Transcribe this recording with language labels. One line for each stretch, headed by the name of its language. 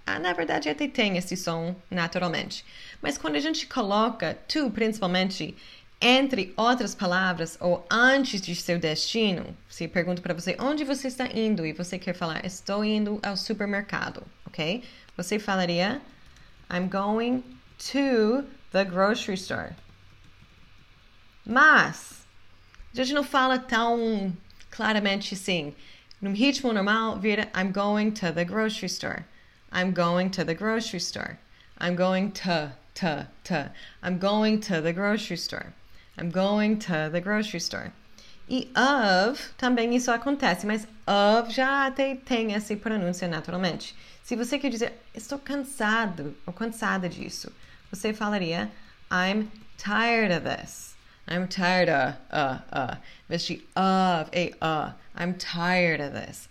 Portuguese: Ah, na verdade, até tem esse som naturalmente. Mas quando a gente coloca to, principalmente, entre outras palavras ou antes de seu destino, se pergunta para você onde você está indo e você quer falar estou indo ao supermercado, ok? Você falaria
English: I'm going to the grocery store.
Portuguese: Mas a gente não fala tão claramente assim. Num ritmo normal vira
English: I'm going to the grocery store. I'm going to the grocery store. I'm going to. I'm going to the grocery store. I'm going to the grocery store.
Portuguese: E of, também isso acontece, mas of já até tem essa pronúncia naturalmente. Se você quer dizer, estou cansado ou cansada disso, você falaria,
English: I'm tired of this. I'm tired of,
Portuguese: em vez de
English: of, é I'm tired of this.